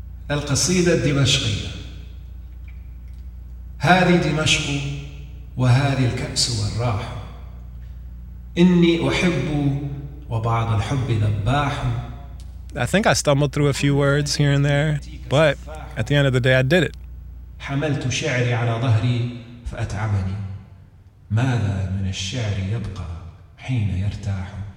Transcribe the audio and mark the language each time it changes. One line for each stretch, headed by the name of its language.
Arabic: القصيدة الدمشقية هذه دمشق وهذه الكأس والراح إني أحب وبعض الحب ذباح.
English: I think I stumbled through a few words here and there, but at the end of the day, I did it.
Arabic: حملت شعري على ظهري فأتعبني ماذا من الشعر يبقى حين يرتاح.